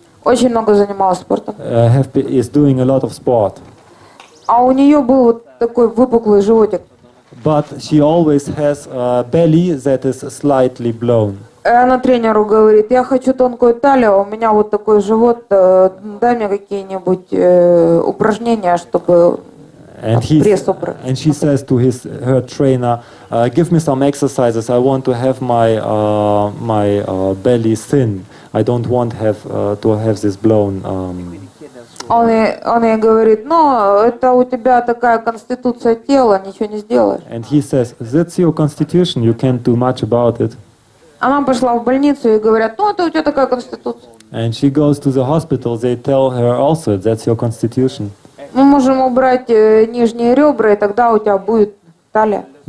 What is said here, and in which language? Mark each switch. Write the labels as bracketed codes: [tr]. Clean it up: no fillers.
[ru] Очень много занималась спортом. [en] Is doing a lot of sport. [ru] А у нее был вот такой выпуклый животик. [en] But she always has a belly that is slightly blown. [ru] Она тренеру говорит, я хочу тонкую талию, у меня вот такой живот, дай мне какие-нибудь упражнения, чтобы пресс убрать. [en] And she says to his her trainer, give me some exercises, I want to have my my belly thin, I don't want have to have this blown. [ru] Он ей говорит, ну, это у тебя такая конституция тела, ничего не сделаешь. [en] And he says, that's your constitution, you can't do much about it. [ru] Она пошла в больницу и говорят, ну это у тебя такая конституция. [en] And she goes to the hospital, they tell her also, that's your constitution. [ru] Мы можем убрать нижние ребра, и тогда у тебя будет талия.